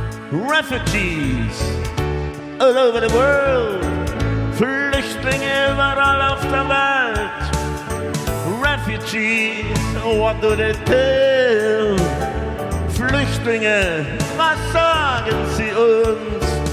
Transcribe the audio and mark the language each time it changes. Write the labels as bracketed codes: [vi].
[en] refugees all over the world. [de] Flüchtlinge überall auf der Welt. [en] Refugees, what do they tell? [de] Flüchtlinge, was sagen sie uns?